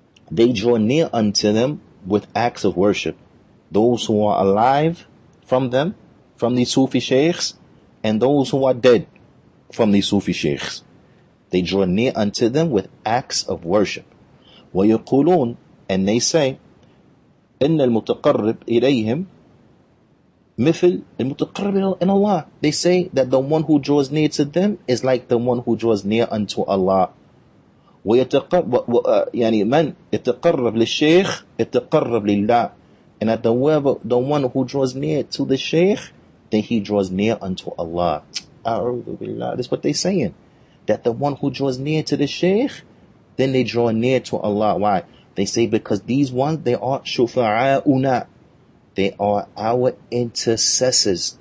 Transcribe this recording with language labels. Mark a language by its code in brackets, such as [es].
[en] They draw near unto them with acts of worship. Those who are alive from them, from these Sufi sheikhs, and those who are dead from these Sufi sheikhs. They draw near unto them with acts of worship. [ar] وَيَقُولُونَ, [en] and they say, [ar] إن المتقرب إليهم مثل المتقرب إلى الله. [en] They say that the one who draws near to them is like the one who draws near unto Allah. [ar] يعني من يتقرب للشيخ يتقرب لله. [en] And at the one who draws near to the sheikh, then he draws near unto Allah. [ar] أعوذ بالله. [en] That's what they're saying. That the one who draws near to the sheikh, then they draw near to Allah. Why? They say because these ones, they are shufa'auna. They are our intercessors.